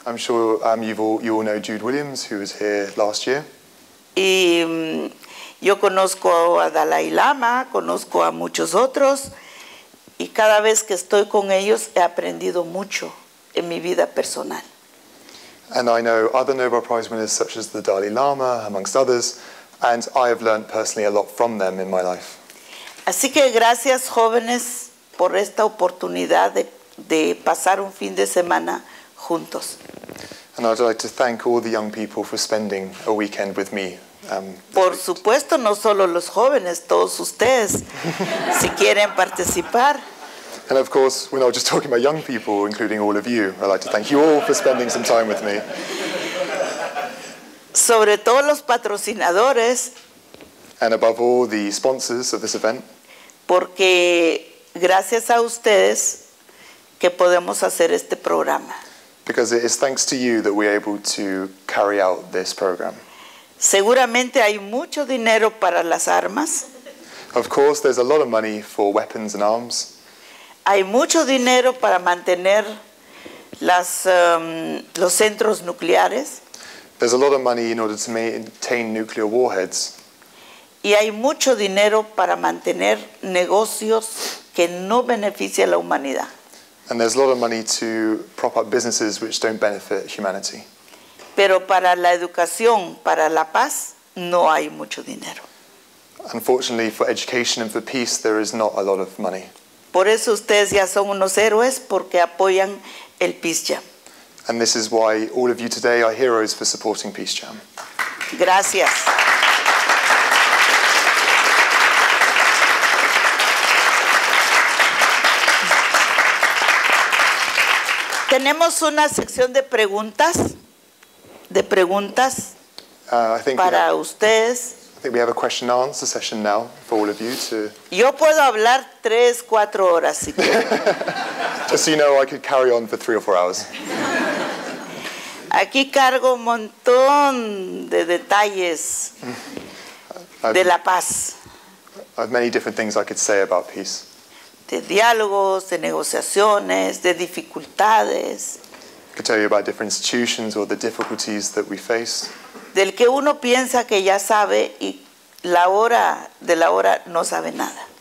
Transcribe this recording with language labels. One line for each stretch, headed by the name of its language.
English: You all know Jude Williams, who was here last year.
Spanish: Y yo conozco a Dalai Lama, conozco a muchos otros, y cada vez que estoy con ellos he aprendido mucho en mi vida personal.
English: And I know other Nobel Prize winners such as the Dalai Lama, amongst others, and I have learned personally a lot from them in my life.
Spanish: Así que gracias, jóvenes, por esta oportunidad de pasar un fin de semana juntos.
English: And I'd like to thank all the young people for spending a weekend with me.
Spanish: Por supuesto, no solo los jóvenes, todos ustedes, si quieren participar.
English: And of course, we're not just talking about young people, including all of you. I'd like to thank you all for spending some time with me.
Spanish: Sobre todo los patrocinadores.
English: And above all, the sponsors of this event.
Spanish: Porque gracias a ustedes que podemos hacer este programa.
English: Because it is thanks to you that we're able to carry out this program.
Spanish: Seguramente hay mucho dinero para las armas.
English: Of course, there's a lot of money for weapons and arms.
Spanish: Hay mucho dinero para mantener los centros nucleares.
English: There's a lot of money in order to maintain nuclear warheads.
Spanish: Y hay mucho dinero para mantener negocios que no benefician a la humanidad.
English: And there's a lot of money to prop up businesses which don't benefit humanity.
Spanish: Pero para la educación, para la paz, no hay mucho dinero.
English: Unfortunately, for education and for peace, there is not a lot of money.
Spanish: Por eso ustedes ya son unos héroes, porque apoyan el Peace Jam.
English: And this is why all of you today are heroes for supporting Peace Jam.
Spanish: Gracias. Tenemos una sección de preguntas para ustedes.
English: I think we have a question and answer session now for all of you to...
Spanish: Yo puedo hablar 3-4 horas si quiero.
English: Just so you know, I could carry on for 3 or 4 hours.
Spanish: Aquí cargo un montón de detalles de la paz.
English: I have many different things I could say about peace.
Spanish: De diálogos, de negociaciones, de dificultades.
English: I could tell you about different institutions or the difficulties that we face.
Spanish: Del que uno piensa que ya sabe y de la hora no sabe nada.